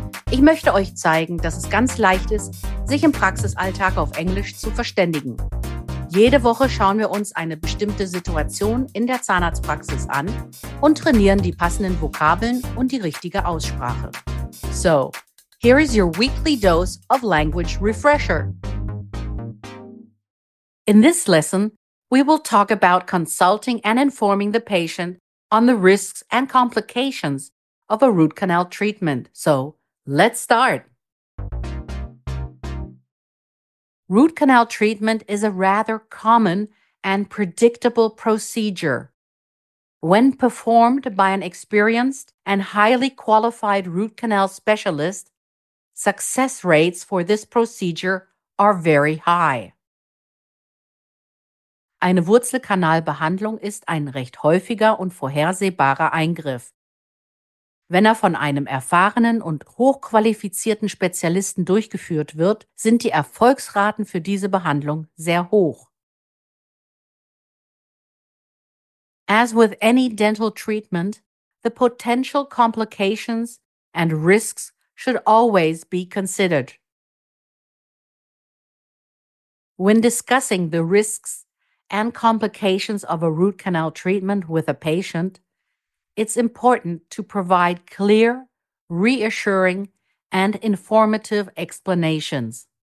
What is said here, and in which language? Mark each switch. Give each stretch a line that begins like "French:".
German: Ich möchte euch zeigen, dass es ganz leicht ist, sich im Praxisalltag auf Englisch zu verständigen. Jede Woche schauen wir uns eine bestimmte Situation in der Zahnarztpraxis an und trainieren die passenden Vokabeln und die richtige Aussprache.
English: So, here is your weekly dose of language refresher. In this lesson, we will talk about consulting and informing the patient on the risks and complications of a root canal treatment. So, let's start. Root canal treatment is a rather common and predictable procedure. When performed by an experienced and highly qualified root canal specialist, success rates for this procedure are very high.
German: Eine Wurzelkanalbehandlung ist ein recht häufiger und vorhersehbarer Eingriff. Wenn er von einem erfahrenen und hochqualifizierten Spezialisten durchgeführt wird, sind die Erfolgsraten für diese Behandlung sehr hoch.
English: As with any dental treatment, the potential complications and risks should always be considered. When discussing the risks and complications of a root canal treatment with a patient, it's important to provide clear, reassuring, and informative explanations.